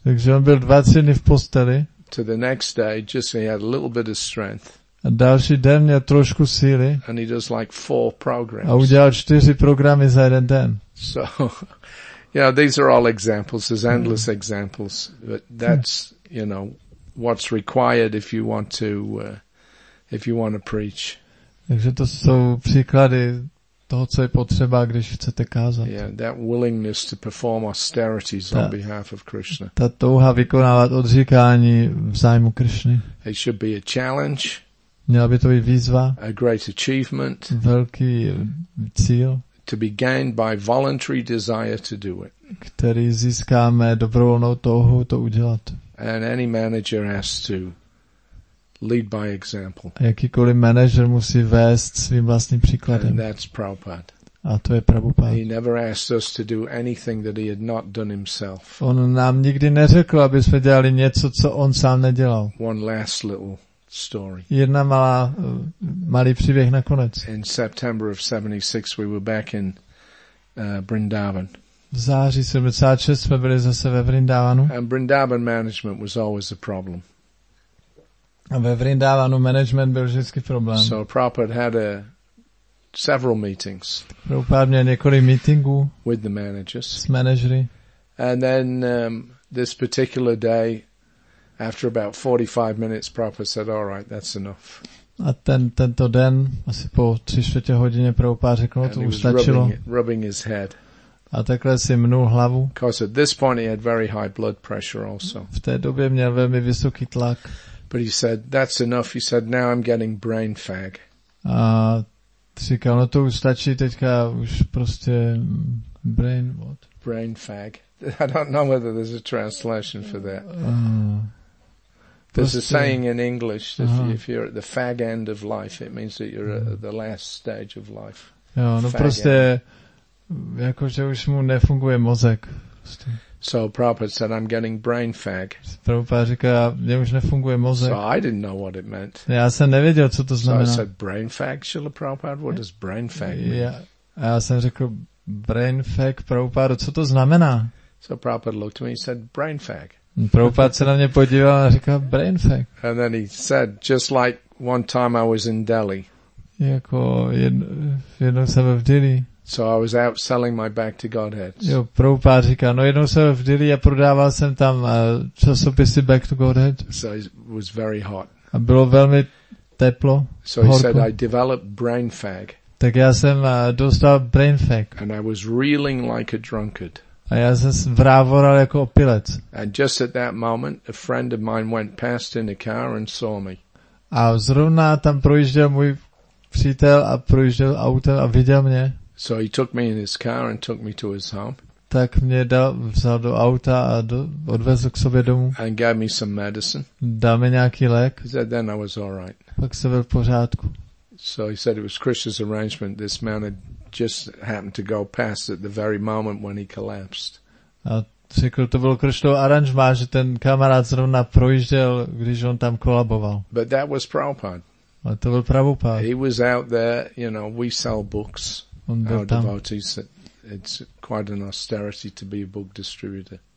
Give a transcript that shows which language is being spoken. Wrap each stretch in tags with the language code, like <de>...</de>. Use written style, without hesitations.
<cs>Takže on byl 20 dny v posteli.</cs> <en>To the next day, just so he had a little bit of strength.</en> <cs>A další den měl trošku síly.</cs> <en>And he does like 4 programs.</en> <cs>A udělal 4 programy za jeden den.</cs> <en>So, yeah, these are all examples. There's endless examples. But that's, you know, what's required if you want to, preach.</en> <cs>Takže to jsou příklady toho, co je potřeba, když chcete kázat.</cs> <en>Yeah, that willingness to perform austerities on behalf of Krishna.</en> <cs>Ta touha vykonávat odříkání v zájmu Krishny.</cs> <en>It should be a challenge.</en> <cs>Měla by to být výzva.</cs> <en>A great achievement.</en> <cs>Velký cíl.</cs> <en>To be gained by voluntary desire to do it.</en> <cs>Který získáme dobrovolnou touhu to udělat.</cs> <en>And any manager has to lead by example.</en> <cs>A jakýkoliv manažer musí vést svým vlastním příkladem.</cs> <en>And that's Prabhupada.</en> <cs>A to je Prabhupada.</cs> <en>He never asked us to do anything that he had not done himself.</en> <cs>On nám nikdy neřekl, aby jsme dělali něco, co on sám nedělal.</cs> <en>One last little story.</en> <cs>Jedna malá, malý příběh nakonec.</cs> <en>In September of 76 we were back in Vrindavan.</en> <cs>V září 76 jsme byli zase ve Vrindavanu.</cs> <en>And Vrindavan management was always a problem.</en> <cs>A ve Vrindavanu management byl vždycky problém.</cs> <en>So Prabhupada had several meetings.</en> <cs>Prabhupada měl několik meetingů</cs> <en>with the managers.</en> <cs>S manažery.</cs> <en>And then this particular day, after about 45 minutes, Prabhupada said, "All right, that's enough."</en> <cs>A tento den, asi po 3/4 hodiny, Prabhupada řekl, to už stačilo.</cs> <en>Rubbing his head.</en> <cs>A takhle si mnul hlavu.</cs> <en>Because at this point he had very high blood pressure also.</en> <cs>V té době měl velmi vysoký tlak.</cs> <en>But he said, "That's enough." He said, "Now I'm getting brain fag."</en> <cs>A říkal, to už stačí, teďka už prostě</cs> <en>brain what? Brain fag. I don't know whether there's a translation for that. There's a saying in English, if you're at the fag end of life, it means that you're at the last stage of life.</en> <cs>Jo, no fag prostě, jakože už mu nefunguje mozek. Prostě.</cs> <en>So Prabhupada said, "I'm getting brain fag."</en> <cs>Prabhupada říká, mě už nefunguje mozek.</cs> <en>So I didn't know what it meant.</en> <cs>Já jsem nevěděl, co to znamená.</cs> <en>So I said, "Brain fag, Srila Prabhupada? What does brain fag mean?"</en> <cs>Já jsem řekl, brain fag, Prabhupada, co to znamená?</cs> <en>So Prabhupada looked at me and said, "Brain fag."</en> <cs>Prabhupada se na mě podíval a říká, brain fag.</cs> <en>And then he said, just like one time I was in Delhi.</en> <cs>Jako jednou jsem byl v Delhi.</cs> <en>So I was out selling my back to Godheads.</en> <cs>Jo, Prabhupada říká, no jednou jsem v Delhi a prodával jsem tam časopisy back to Godhead.</cs> <en>So it was very hot.</en> <cs>A bylo velmi teplo.</cs> <en>So he said, I developed brain fag.</en> <cs>Tak já jsem dostal brain fag.</cs> <en>And I was reeling like a drunkard.</en> <cs>A já jsem vrávoral jako opilec.</cs> <en>And just at that moment, a friend of mine went past in a car and saw me.</en> <cs>A zrovna tam projížděl můj přítel a projížděl autem a viděl mě.</cs> <en>So he took me in his car and took me to his home.</en> <cs>tak mě dal, vzal do auta a odvezl k sobě domů.</cs> <en>And gave me some medicine.</en> <cs>Dal mi nějaký lék.</cs> <en>He said, then I was all right.</en> <cs>Pak jsem byl v pořádku.</cs> <en>So he said it was Krishna's arrangement. This man had just happened to go past at the very moment when he collapsed.</en> <cs>A řekl, to bylo Krishnovo aranžmá, že ten kamarád zrovna projížděl, když on tam kolaboval.</cs> <en>But that was Prabhupada.</en> <cs>A to byl Prabhupada.</cs> <en>He was out there, you know, we sell books.</en> <cs>On byl</cs> <en>our</en> <cs>tam.</cs> <en>Devotees, it's quite an austerity to be a book distributor.</en>